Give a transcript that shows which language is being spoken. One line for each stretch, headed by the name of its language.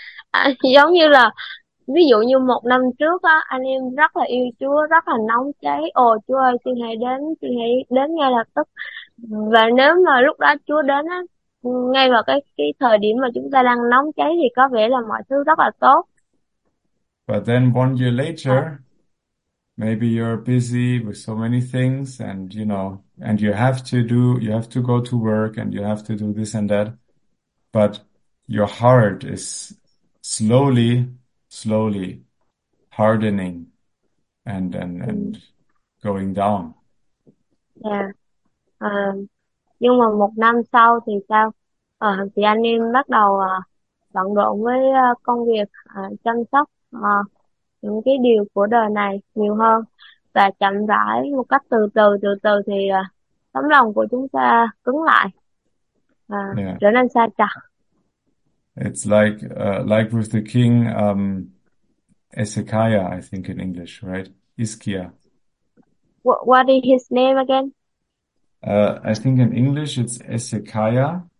Vietnamese: À, giống như là ví dụ như một năm trước á, anh em rất là yêu Chúa, rất là nóng cháy, ồ Chúa ơi xin hãy đến, xin hãy đến ngay lập tức. Và nếu mà lúc đó Chúa đến á, ngay vào cái thời điểm mà chúng ta đang nóng cháy, thì có vẻ là mọi thứ rất là tốt.
English: But then 1 year later, maybe you're busy with so many things and you know, and you have to go to work and you have to do this and that. But your heart is slowly, slowly hardening and going down.
Vietnamese: Nhưng mà một năm sau thì sao? Thì anh em bắt đầu bận rộn với công việc chăm sóc những cái điều của đời này nhiều hơn, và chậm rãi một cách từ từ thì tấm lòng của chúng ta cứng lại,
English: Yeah.
Vietnamese: trở nên xa chặt.
English: It's like with the king Ezekiah, I think in English, right? Ischia. What is his name again? I think in English it's Ezekiah.